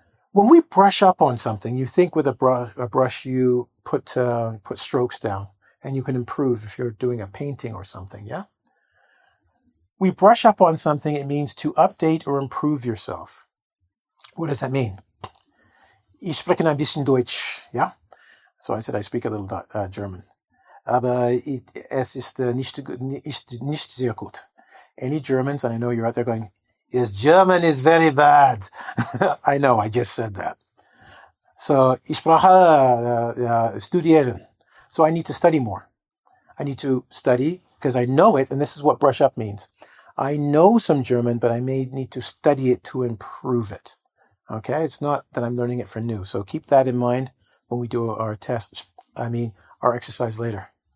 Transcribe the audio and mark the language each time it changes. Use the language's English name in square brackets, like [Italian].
[English] When we brush up on something, you think with a brush, you put strokes down and you can improve if you're doing a painting or something, yeah? We brush up on something, it means to update or improve yourself. What does that mean? [German] Ich spreche ein bisschen Deutsch, ja? [English] So I said I speak a little German. [German] Aber es ist nicht sehr gut. [English] Any Germans, and I know you're out there going, yes, German is very bad. I know, I just said that. [German] So, ich brauche studieren. [English] So I need to study more. I need to study because I know it, and this is what brush up means. I know some German, but I may need to study it to improve it. Okay, it's not that I'm learning it for new. So keep that in mind when we do our test, I mean, our exercise later.